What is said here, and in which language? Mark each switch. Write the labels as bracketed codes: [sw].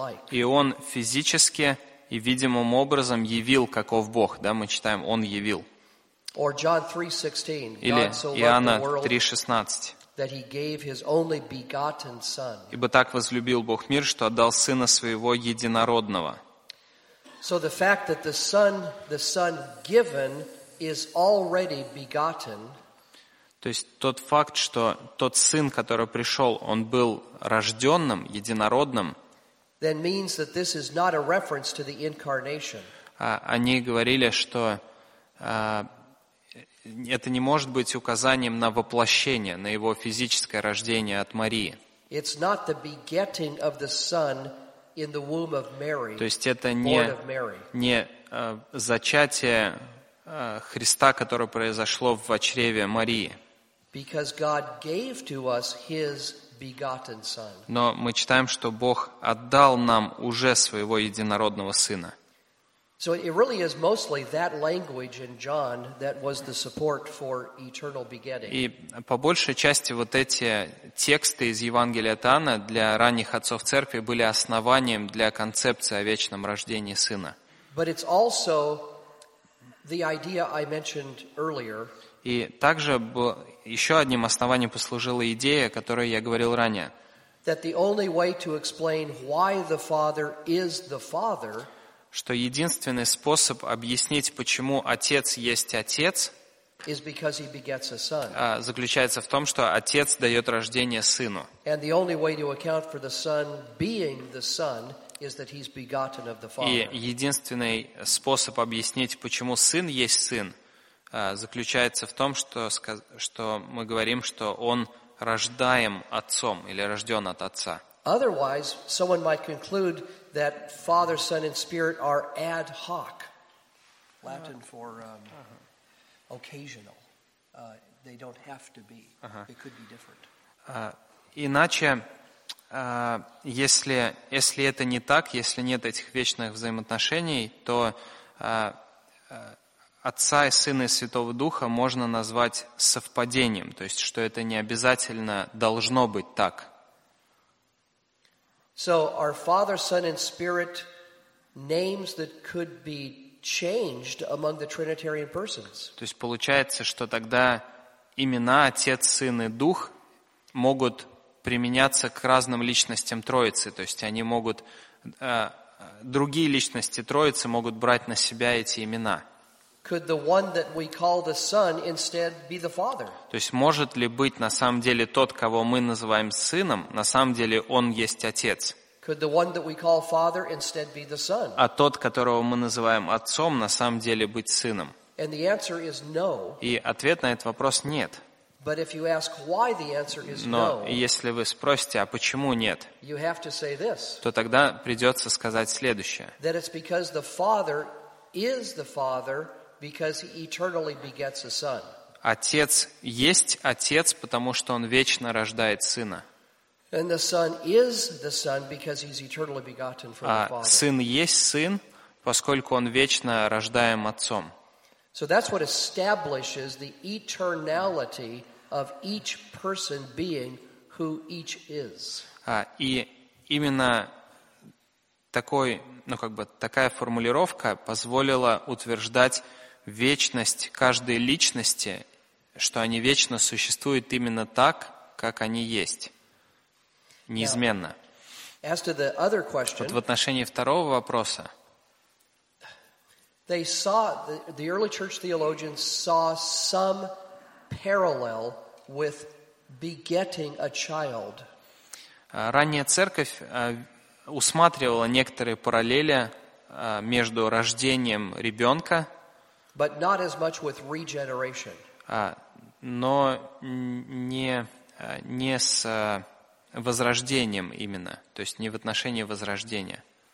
[ru] И он физически и видимым образом явил, каков Бог. Да, мы читаем, он явил. Или Иоанна 3:16. [en] That he gave his only begotten Son. [ru] Ибо так возлюбил Бог мир, что отдал Сына Своего Единородного. [en] So the fact that the Son given is already begotten. [ru] То есть тот факт, что тот Сын, который пришел, он был рожденным, единородным. [en] Then means that this is not a reference to the incarnation. [ru] Они говорили, что это не может быть указанием на воплощение, на его физическое рождение от Марии. [en] It's not the begetting of the Son in the womb of Mary. [ru] То есть это не зачатие Христа, которое произошло в чреве Марии. [en] Because God gave to us His begotten Son. [ru] Но мы читаем, что Бог отдал нам уже своего единородного Сына. [en] So it really is mostly that language in John that was the support for eternal begetting. [ru] И по большей части вот эти тексты из Евангелия от Иоанна для ранних отцов церкви были основанием для концепции о вечном рождении Сына. [en] But it's also the idea I mentioned earlier. [ru] И также еще одним основанием послужила идея, о которой я говорил ранее. [en] That the only way to explain why the Father is the Father. [ru] Что единственный способ объяснить, почему Отец есть Отец, [en] is because he begets a son. [ru] Заключается в том, что Отец дает рождение Сыну. [en] And the only way to account for the Son being the Son is that he's begotten of the Father. И единственный способ объяснить, почему Сын есть Сын, заключается в том, что мы говорим, что Он рождаем Отцом или рожден от Отца. Otherwise, someone might conclude that Father, Son, and Spirit are ad hoc, Latin for occasional. They don't have to be. It could be different. [ru] Иначе, если это не так, если нет этих вечных взаимоотношений, то Отца и Сына и Святого Духа можно назвать совпадением, то есть что это не обязательно должно быть так. [en] So our Father, Son, and Spirit names that could be changed among the Trinitarian persons. [ru] То есть получается, что тогда имена Отец, Сын и Дух могут применяться к разным личностям Троицы. То есть они могут другие личности Троицы могут брать на себя эти имена. [en] Could the one that we call the Son instead be the Father? [ru] То есть может ли быть на самом деле тот, кого мы называем Сыном, на самом деле он есть Отец? [en] Could the one that we call Father instead be the Son? [ru] А тот, которого мы называем Отцом, на самом деле быть Сыном? [en] And the answer is no. [ru] И ответ на этот вопрос нет. [en] But if you ask why the answer is no, [ru] но если вы спросите, а почему нет, [en] you have to say this. [ru] То тогда придется сказать следующее. [en] That it's because the Father is the Father. Because he eternally begets a son. [ru] Отец есть Отец, потому что он вечно рождает Сына. [en] And the Son is the Son because he's eternally begotten from the Father. [ru] А Сын есть Сын, поскольку он вечно рождаем Отцом. [en] So that's what establishes the eternality of each person being who each is. [ru] И именно такой, ну как бы такая формулировка позволила утверждать вечность каждой личности, что они вечно существуют именно так, как они есть, неизменно. [en] Now, as to the other question, [ru] вот в отношении второго вопроса, [en] they saw, the early church theologians saw some parallel with begetting a child. [ru] Ранняя церковь усматривала некоторые параллели между рождением ребенка. [en] But not as much with regeneration. [ru] Но не с возрождением именно, то есть не в отношении возрождения.